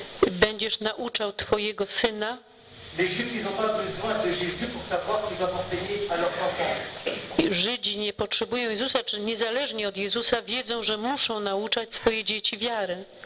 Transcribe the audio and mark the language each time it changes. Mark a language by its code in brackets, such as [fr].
[pl] Będziesz nauczał twojego syna. [fr] Les Juifs n'ont pas besoin de Jésus pour savoir qu'ils doivent enseigner à leurs enfants. [pl] Żydzi nie potrzebują Jezusa, czy niezależnie od Jezusa wiedzą, że muszą nauczać swoje dzieci wiary.